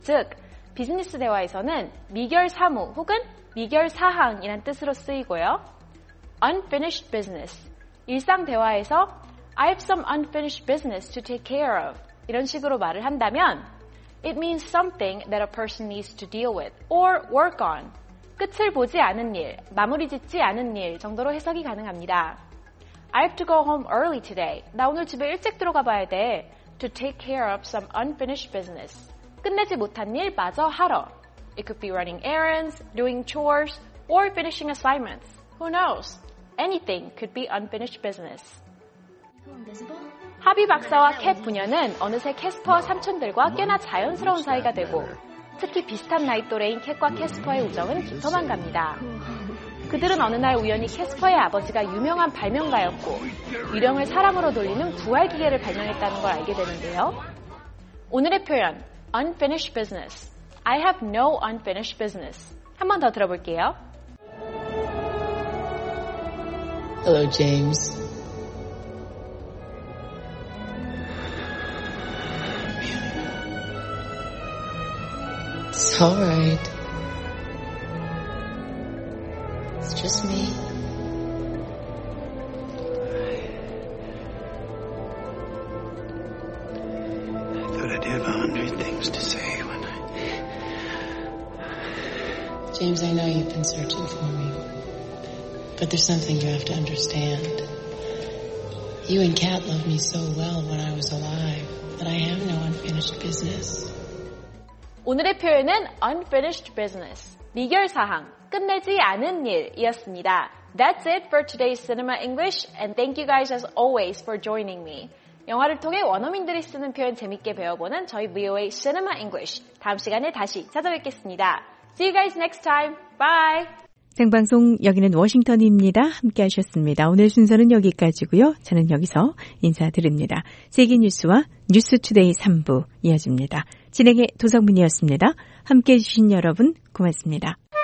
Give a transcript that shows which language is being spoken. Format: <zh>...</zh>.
<ko>즉, 비즈니스 대화에서는 미결 사무 혹은 미결 사항이란 뜻으로 쓰이고요. Unfinished business. 일상 대화에서</ko> <en>I have some unfinished business to take care of.</en> <ko>이런 식으로 말을 한다면</ko> <en>It means something that a person needs to deal with or work on.</en> <ko>끝을 보지 않은 일, 마무리 짓지 않은 일 정도로 해석이 가능합니다.</ko> <en>I have to go home early today.</en> <ko>나 오늘 집에 일찍 들어가 봐야 돼.</ko> <en>To take care of some unfinished business.</en> <ko>끝내지 못한 일 마저 하러.</ko> <en>It could be running errands, doing chores, or finishing assignments. Who knows? Anything could be unfinished business.</en> <ko>하비 박사와 캣 부녀는 어느새 캐스퍼와 삼촌들과 꽤나 자연스러운 사이가 되고 특히 비슷한 나이 또래인 캣과 캐스퍼의 우정은 깊어만 갑니다. 그들은 어느 날 우연히 캐스퍼의 아버지가 유명한 발명가였고 유령을 사람으로 돌리는 부활기계를 발명했다는 걸 알게 되는데요. 오늘의 표현, unfinished business.</ko> <en>I have no unfinished business.</en> <ko>한 번 더 들어볼게요.</ko> <en>Hello, James. It's all right. It's just me. I thought I'd have 100 things to say when I... James, I know you've been searching for me. But there's something you have to understand. You and Kat loved me so well when I was alive that I have no unfinished business.</en> <ko>오늘의 표현은 unfinished business, 미결사항, 끝내지 않은 일이었습니다.</ko> <en>That's it for today's Cinema English, and thank you guys as always for joining me.</en> <ko>영화를 통해 원어민들이 쓰는 표현 재밌게 배워보는 저희 VOA Cinema English. 다음 시간에 다시 찾아뵙겠습니다.</ko> <en>See you guys next time. Bye!</en> <ko>생방송 여기는 워싱턴입니다. 함께 하셨습니다. 오늘 순서는 여기까지고요. 저는 여기서 인사드립니다. 세계뉴스와 뉴스투데이 3부 이어집니다. 진행의 도성민이었습니다. 함께해 주신 여러분 고맙습니다.</ko>